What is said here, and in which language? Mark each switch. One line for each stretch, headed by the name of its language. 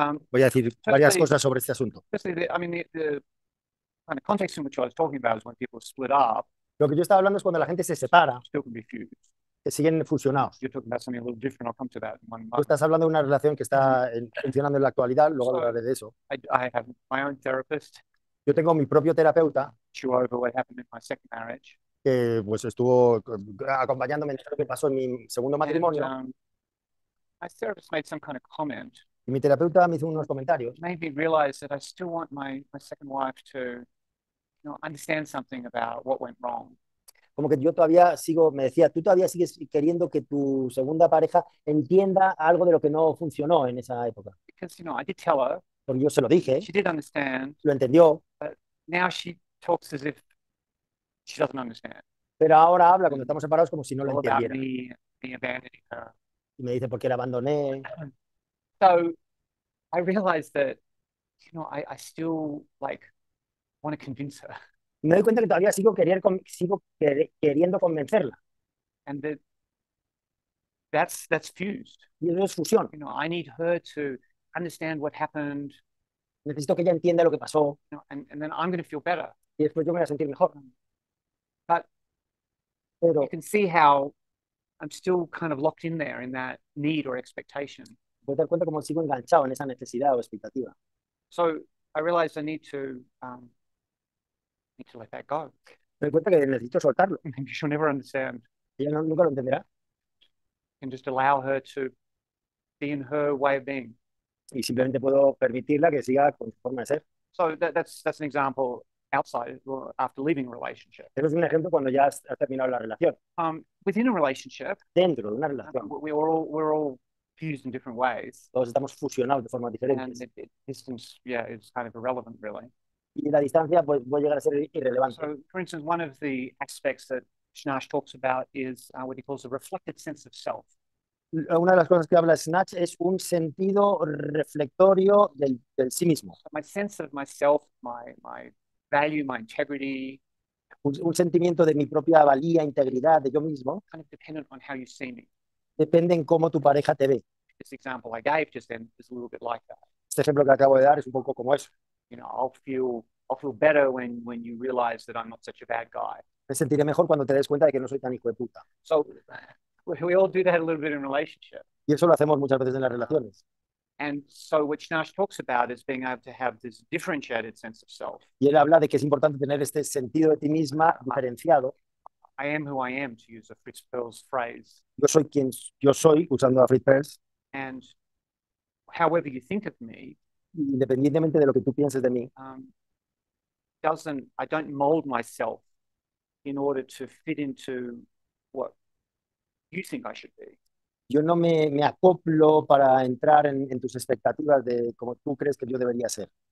Spanish: Voy a decir varias cosas sobre este asunto.
English: The kind of context in which I was talking about is when people split up.
Spanish: Lo que yo estaba hablando es cuando la gente se separa.
English: Still can be fused.
Spanish: Que siguen fusionados.
English: You're talking about something a little different. I'll come to that in one moment.
Spanish: Tú estás hablando de una relación que está funcionando en la actualidad, luego hablaré de eso.
English: I have my own therapist.
Spanish: Yo tengo mi propio terapeuta.
English: Sure, over what happened in my second marriage.
Spanish: Que pues estuvo acompañándome en lo que pasó en mi segundo matrimonio.
English: My therapist made some kind of comment.
Spanish: Y mi terapeuta me hizo unos comentarios.
English: Made me realize that I still want my second wife to, you know, understand something about what went wrong.
Spanish: Como que yo todavía sigo, me decía, tú todavía sigues queriendo que tu segunda pareja entienda algo de lo que no funcionó en esa época.
English: Because, you know, I did tell her,
Spanish: porque yo se lo dije.
English: She did understand,
Spanish: lo entendió.
English: But now she talks as if she doesn't understand.
Spanish: Pero ahora habla, cuando estamos separados, como si no lo entendiera.
English: Me abandoning her.
Spanish: Y me dice, ¿por qué la abandoné?
English: So, I realized that, you know, I still, like, want to convince her.
Spanish: Me doy cuenta que todavía sigo queriendo convencerla.
English: And that's fused.
Spanish: Y eso es fusión.
English: You know, I need her to understand what happened.
Spanish: Necesito que ella entienda lo que pasó.
English: You know, and then I'm going to feel better.
Spanish: Y después yo me voy a sentir mejor.
English: Pero you can see how I'm still kind of locked in there in that need or expectation.
Spanish: Voy a dar cuenta cómo sigo enganchado en esa necesidad o expectativa.
English: So I realize I need to let that go.
Spanish: Me doy cuenta que necesito soltarlo.
English: Maybe she'll never understand.
Spanish: Ella no, nunca lo entenderá.
English: And just allow her to be in her way of being.
Spanish: Y simplemente puedo permitirla que siga con su forma de ser.
English: So that's an example outside or after leaving a relationship.
Spanish: Pero es un ejemplo cuando ya has terminado la relación.
English: Within a relationship,
Spanish: dentro de una relación,
English: we're all fused in different ways.
Spanish: Todos estamos fusionados de forma diferente.
English: And distance, yeah, is kind of irrelevant, really.
Spanish: Y la distancia pues puede llegar a ser irrelevante.
English: So, for instance, one of the aspects that Snatch talks about is what he calls a reflected sense of self.
Spanish: Una de las cosas que habla Snatch es un sentido reflectorio del sí mismo.
English: So my sense of myself, my value, my integrity.
Spanish: Un sentimiento de mi propia valía, integridad, de yo mismo.
English: Kind of dependent on how you see me.
Spanish: Depende en cómo tu pareja te ve.
English: This example I gave just then is a little bit like that.
Spanish: Este ejemplo que acabo de dar es un poco como eso.
English: You know, I'll feel better when you realize that I'm not such a bad guy.
Spanish: Me sentiré mejor cuando te des cuenta de que no soy tan hijo de puta.
English: So we all do that a little bit in relationship.
Spanish: Y eso lo hacemos muchas veces en las relaciones.
English: And so what Snatch talks about is being able to have this differentiated sense of self.
Spanish: Y él habla de que es importante tener este sentido de ti misma diferenciado.
English: I am who I am, to use a Fritz Perls phrase.
Spanish: Yo soy quien yo soy, usando a Fritz Perls.
English: And however you think of me,
Spanish: independientemente de lo que tú pienses de mí,
English: I don't mold myself in order to fit into what you think I should be.
Spanish: Yo no me acoplo para entrar en tus expectativas de cómo tú crees que yo debería ser.